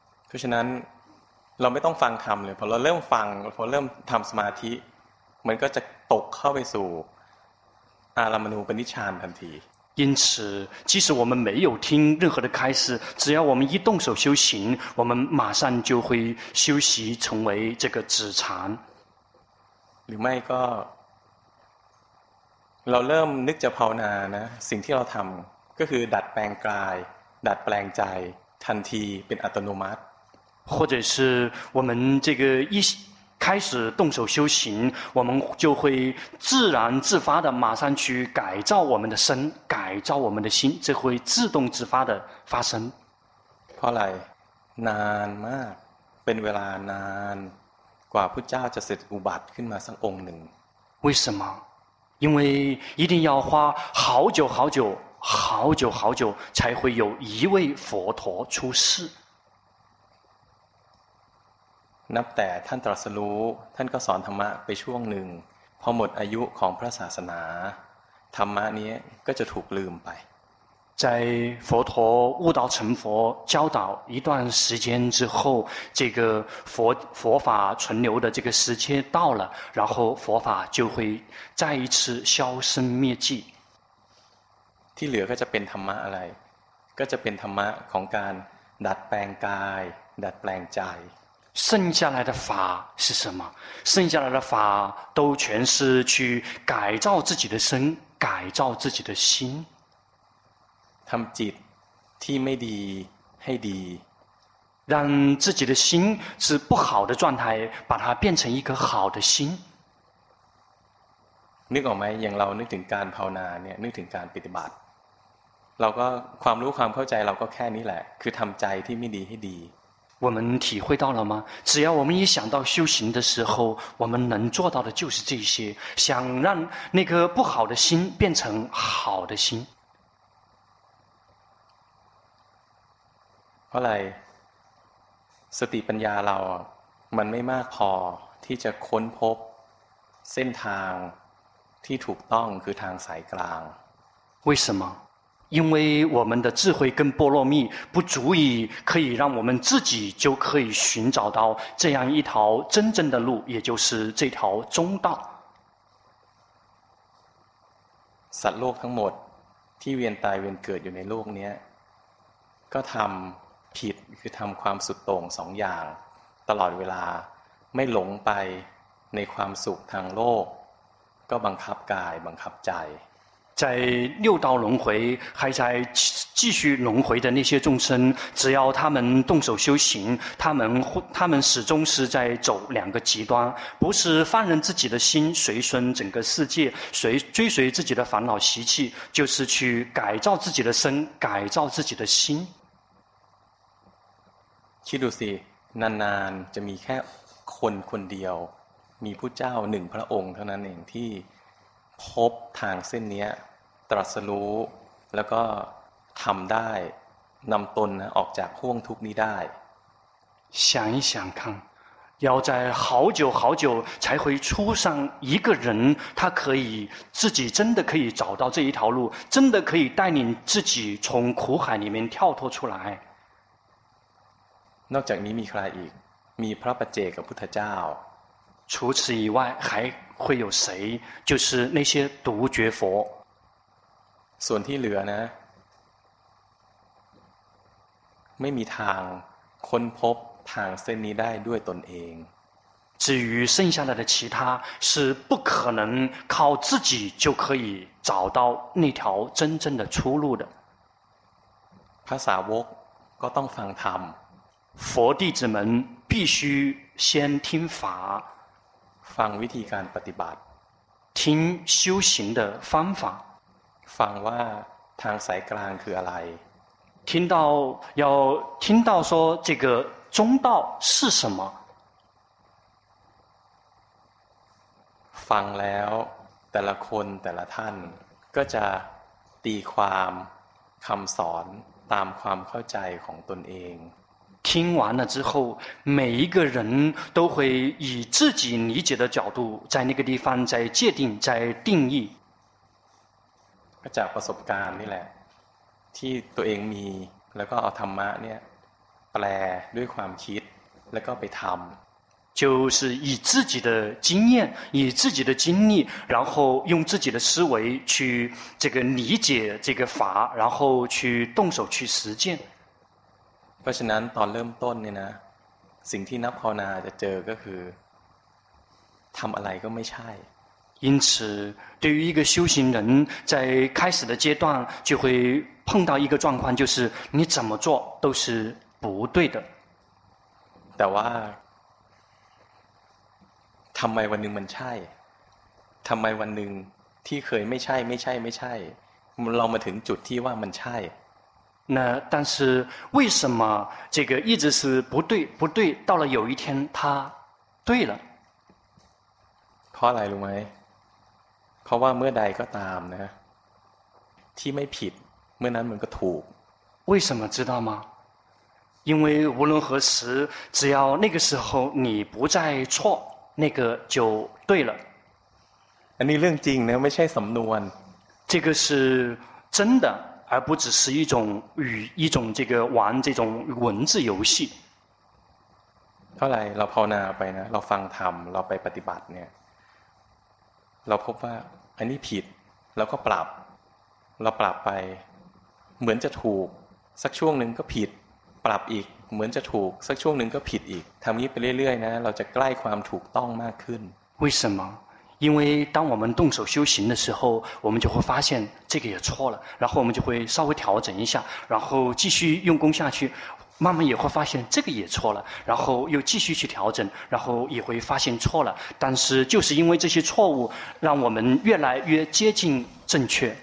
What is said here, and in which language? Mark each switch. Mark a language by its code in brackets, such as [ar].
[th] เพราะฉะนั้นเราไม่ต้องฟังธรรมเลยพอเราเริ่มฟังพอเริ่มทำสมาธิมันก็จะตกเข้าไปสู่อารัมมณูปนิชฌานทันที [zh] 因此即使我们没有听任何的开示只要我们一动手修行我们马上就会修习成为这个止禅 [th] หรือไม่ก็เราเริ่มนึกจะภาวนานะสิ่งที่เราทำก็คือดัดแปลงกายดัดแปลงใจทันทีเป็นอัตโนมัติ [zh] 或者是我们这个一开始动手修行我们就会自然自发的马上去改造我们的身改造我们的心这会自动自发的发生 [th] เพราะอะไรนานมากเป็นเวลานานกว่าพุทธเจ้าจะเสด็จอุบัติขึ้นมาสักองค์หนึ่ง [zh] 为什么因为一定要花好久好久好久好久才会有一位佛陀出世 [th] นับแต่ท่านตรัสรู้ท่านก็สอนธรรมะไปช่วงหนึ่งพอหมดอายุของพระศาสนาธรรมะนี้ก็จะถูกลืมไป [zh] 在佛陀悟道成佛教导一段时间之后这个 佛法存留的这个时间到了然后佛法就会再一次消生灭迹 [th] ที่เหลือก็จะเป็นธรรมะอะไรก็จะเป็นธรรมะของการดัดแปลงกายดัดแปลงใจ [zh] 剩下来的法是什么？剩下来的法都全是去改造自己的身，改造自己的心。 [th] ทำจิตที่ไม่ดีให้ดี， [zh] 让自己的心是不好的状态，把它变成一个好的心。 [th] นึกออกไหม？อย่างเรานึกถึงการภาวนาเนี่ย นึกถึงการปฏิบัติ，เราก็ความรู้ความเข้าใจเราก็แค่นี้แหละ，คือทำใจที่ไม่ดีให้ดี วันนี้ที่เราได้รับรู้แล้วถ้าเราคิดถึงการปฏิบัติเราจะทำได้ก็คือสิ่งนี้อยากให้ใจที่ไม่ดีกลายเป็นดี พราะอะไรสติปัญญาเรามันไม่มากพอที่จะค้นพบเส้นทางที่ถูกต้องคือทางสายกลาง [zh] 为什么因为我们的智慧跟波罗蜜不足以可以让我们自己就可以寻找到这样一条真正的路也就是这条中道 [th] สัตว์โลกทั้งหมดที่เวียนตายเวียนเกิดอยู่ในโลกนี้ก็ทำผิดคือทำความสุดโต่งสองอย่างตลอดเวลาไม่หลงไปในความสุขทางโลกก็บังคับกายบังคับใจ [zh] 在六道轮回还在继续轮回的那些众生只要他们动手修行他们始终是在走两个极端不是放任自己的心随顺整个世界随追随自己的烦恼习气就是去改造自己的身改造自己的心 [th] คิดดูสินานๆจะมีแค่คนคนเดียวมีพุทธเจ้าหนึ่งพระองค์เท่านั้นเองที่พบทางเส้นนี้ตรัสรู้แล้วก็ทำได้นำตนออกจากห้วงทุกข์นี้ได้ [zh] 想一想看要在好久好久才会出上一个人他可以自己真的可以找到这一条路真的可以带领自己从苦海里面跳脱出来 [th] นอกจากนี้มีใครอีกมีพระปัจเจกกับพุทธเจ้า [zh] 除此以外还会有谁就是那些独觉佛 [th] ส่วนที่เหลือนะไม่มีทางค้นพบทางเส้นนี้ได้ด้วยตนเอง [zh] 至于剩下来的其他是不可能靠自己就可以找到那条真正的出路的 [th] พระสาวกก็ต้องฟังธรรม [zh] 佛弟子们必须先听法 [th] ฟังวิธีการปฏิบัติ [zh] 听修行的方法 [th] ฟังว่าทางสายกลางคืออะไร [zh] 听到要听到说这个中道是什么 [th] ฟังแล้วแต่ละคนแต่ละท่านก็จะตีความคำสอนตามความเข้าใจของตนเอง [zh] 听完了之后每一个人都会以自己理解的角度在那个地方在界定在定义 [th] จากประสบการณ์นี่แหละที่ตัวเองมีแล้วก็เอาธรรมะเนี่ยแปลด้วยความคิดแล้วก็ไปทำ [zh] 就是以自己的经验以自己的经历然后用自己的思维去这个理解这个法然后去动手去实践 [th] เพราะฉะนั้นตอนเริ่มต้นเนี่ยนะสิ่งที่นักภาวนาจะเจอก็คือทำอะไรก็ไม่ใช่ [zh] 因此对于一个修行人在开始的阶段就会碰到一个状况就是你怎么做都是不对的 [th] แต่ว่าทำไมวันหนึ่งมันใช่ทำไมวันหนึ่งที่เคยไม่ใช่ไม่ใช่ไม่ใช่เรามาถึงจุดที่ว่ามันใช่ [zh] 那但是为什么这个一直是不对不对到了有一天他对了 [th] เพราะอะไรรู้ไหมเพราะว่าเมื่อใดก็ตามนะที่ไม่ผิดเมื่อนั้นมันก็ถูก [zh] 为什么知道吗因为无论何时只要那个时候你不再错那个就对了 [th] อันนี้เรื่องจริงนะไม่ใช่สำนวน [zh] 这个是真的而不只是一种与一种这个玩这种文字游戏。 [th] เท่าไหร่เราภาวนาไปนะเราฟังธรรมเราไปปฏิบัติเนี่ยเราพบว่าอันนี้ผิดเราก็ปรับเราปรับไปเหมือนจะถูกสักช่วงหนึ่งก็ผิดปรับอีกเหมือนจะถูกสักช่วงหนึ่งก็ผิดอีกทำนี้ไปเรื่อยๆนะเราจะใกล้ความถูกต้องมากขึ้น [zh] 为什么因为当我们动手修行的时候我们就会发现这个也错了然后我们就会稍微调整一下然后继续用功下去慢慢也会发现这个也错了然后又继续去调整然后也会发现错了但是就是因为这些错误让我们越来越接近正确